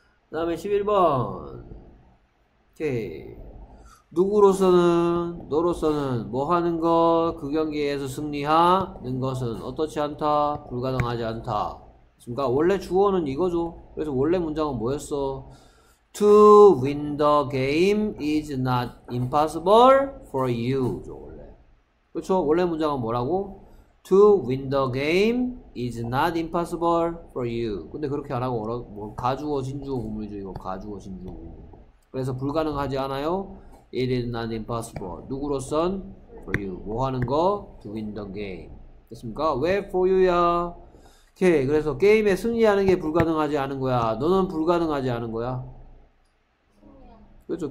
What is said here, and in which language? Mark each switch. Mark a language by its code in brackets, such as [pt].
[ko] 그다음에 11번. 오케이. 누구로서는, 너로서는, 뭐 하는 것, 그 경기에서 승리하는 것은 어떻지 않다, 불가능하지 않다. 그러니까 원래 주어는 이거죠. 그래서 원래 문장은 뭐였어? [en] To win the game is not impossible for you. [ko] 그렇죠. 원래 문장은 뭐라고? [en] To win the game is not impossible for you. [ko] 근데 그렇게 안 하고, 뭐, 가주어, 진주어, 고무줄, 이거 가주어, 진주어. 그래서 불가능하지 않아요? [en] It is not impossible. [ko] 누구로선? [en] For you. [ko] 뭐 하는 거? [en] To win the game. [ko] 됐습니까? [en] Where for you야? 오케이. [ko] 그래서 게임에 승리하는 게 불가능하지 않은 거야. 너는 불가능하지 않은 거야. 그렇죠.